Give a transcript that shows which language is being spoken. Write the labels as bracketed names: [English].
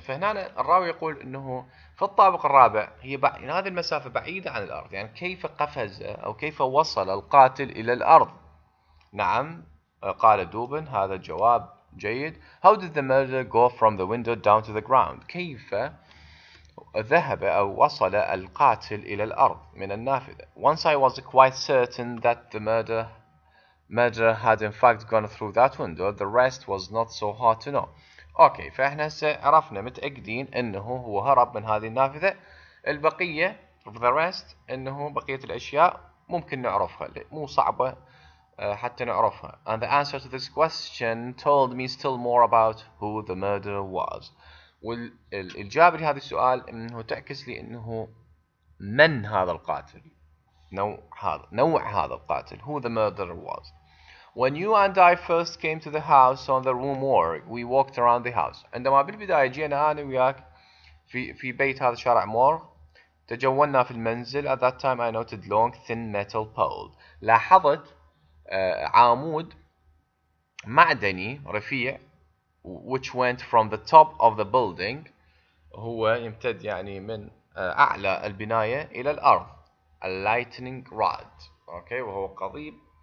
[Arabic] فهنا الراوي يقول أنه في الطابق الرابع هي هذه المسافة بعيدة عن الأرض. يعني كيف قفز أو كيف وصل القاتل إلى الأرض. نعم. قال دوبن هذا الجواب. جيد. [English] How did the murderer go from the window down to the ground? [Arabic] كيف ذهب أو وصل القاتل إلى الأرض من النافذة? [English] Once I was quite certain that the murderer had in fact gone through that window, the rest was not so hard to know. [Arabic] Okay, فإحنا عرفنا متأكدين أنه هو هرب من هذه النافذة. البقية [English] the rest [Arabic] أنه بقية الأشياء ممكن نعرفها. مو صعبة. حتى نعرفها. [English] And the answer to this question told me still more about who the murderer was. [Arabic] والإجابة لهذا السؤال إنه تعكس لي إنه من هذا القاتل. نوع هذا القاتل. [English] Who the murderer was. When you and I first came to the house on the room morgue, we walked around the house. [Arabic] عندما بالبداية جينا أنا وياك في بيت هذا شارع مورغ. تجولنا في المنزل. [English] At that time I noted long thin metal pole. [Arabic] لاحظت عمود معدني رفيع [English] which went from the top of the building [Arabic] هو يمتد يعني من أعلى البناية إلى الأرض [English] a lightning rod okay [Arabic] وهو قضيب